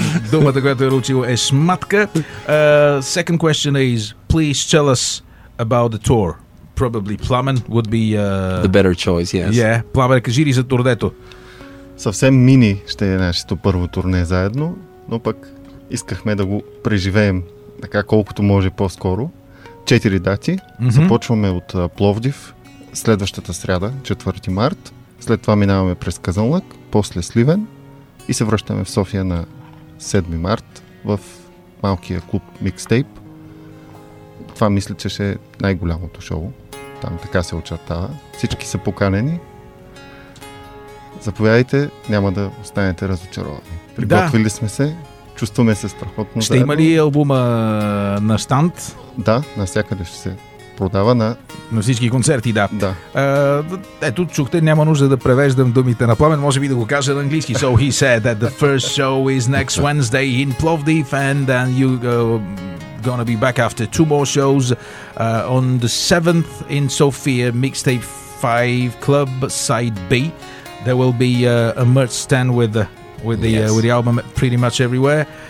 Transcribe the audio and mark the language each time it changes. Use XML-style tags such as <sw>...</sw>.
<bg>Думата, която е учил, е шматка.</bg> <en>Second question is, please tell us about the tour. Probably Plamen would be... the better choice, yes. Yeah,</en> <bg>Plamen, кажи ли за турнето? Съвсем мини ще е нашето първо турне заедно, но пък искахме да го преживеем така колкото може по-скоро. 4 дати. Mm-hmm. Започваме от Пловдив следващата сряда, 4 март. След това минаваме през Казанлък, после Сливен и се връщаме в София на 7 март в малкия клуб Микстейп. Това мисля, че ще е най-голямото шоу. Там така се очертава. Всички са поканени. Заповядайте, няма да останете разочаровани. Приготвили сме се. Чувстваме се страхотно. Ще има ли албума на щанд? Да, навсякъде ще се продава. На всички концерти, да. Да. Ето, чухте, няма нужда да превеждам думите на Пламен. Може би да го кажа на английски.</bg> <en>So he said that the first show is next Wednesday in Plovdiv and then you gonna be back after two more shows on the 7th in Sofia Mixtape 5 Club Side B. There will be a merch stand with the with the album pretty much everywhere.</en>